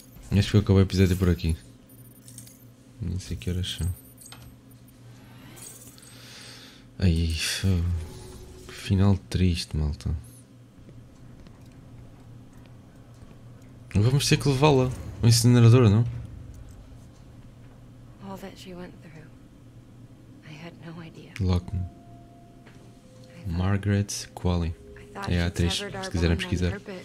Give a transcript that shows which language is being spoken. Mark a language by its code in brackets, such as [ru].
[pt] Acho que eu acabei o episódio por aqui. Nem sei que horas são. Aí, final triste, malta. Vamos ter que levá-la ao incinerador, não? [en] All that she went through, I had no idea. Lock-me. Margaret Qualley. [pt] É a atriz, se quiserem pesquisar.